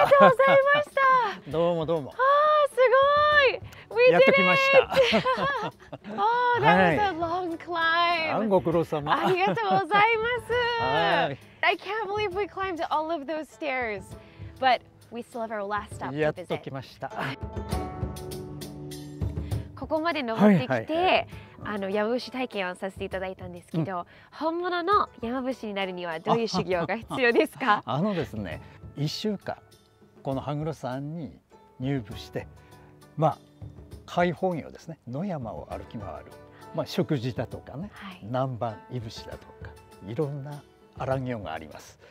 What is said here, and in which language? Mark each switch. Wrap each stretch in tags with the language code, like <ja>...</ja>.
<ja>ありがとうございました。どうもどうも。ああ、すごい。</ja> <en>We did it!</en> <ja>やってきました。</ja> <en>Oh, that was a long climb.</en> <ja>ご苦労様。ありがとうございます。</ja> <en>I can't believe we climbed all of those stairs. But we still have our last stop to visit.</en> <ja>やっときました。ここまで登ってきて、はいはい、あの山伏体験をさせていただいたんですけど、うん、本物の山伏になるにはどういう修行が必要ですか？あのですね、1週間この羽黒山に入部して、まあ、開放業ですね、野山を歩き回る、まあ、食事だとかね、はい、南蛮いぶしだとかいろんな荒行があります。</ja>